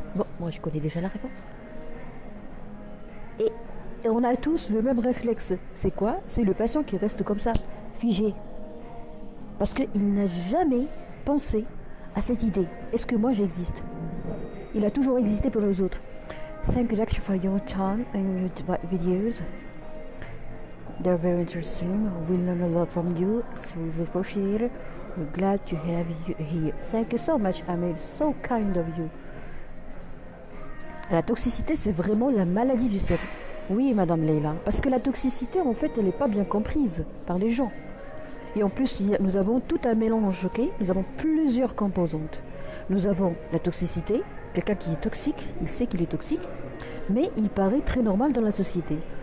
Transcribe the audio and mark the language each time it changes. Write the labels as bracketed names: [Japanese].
[French] Bon, moi je connais déjà la réponse. Et on a tous le même réflexe. C'est quoi? C'est le patient qui reste comme ça, figé. Parce qu'il n'a jamais pensé à cette idée. Est-ce que moi j'existe? Il a toujours existé pour les autres. [English] Thank you for your time and your videos. They're very interesting. We learn a lot from you. So we appreciate it. We're glad to have you here. Thank you so much, Amel. So kind of you. [French] La toxicité, c'est vraiment la maladie du siècle. Oui, Madame Leila. Parce que la toxicité, en fait, elle n'est pas bien comprise par les gens. Et en plus, nous avons tout un mélange, ok? Nous avons plusieurs composantes. Nous avons la toxicité, quelqu'un qui est toxique, il sait qu'il est toxique, mais il paraît très normal dans la société.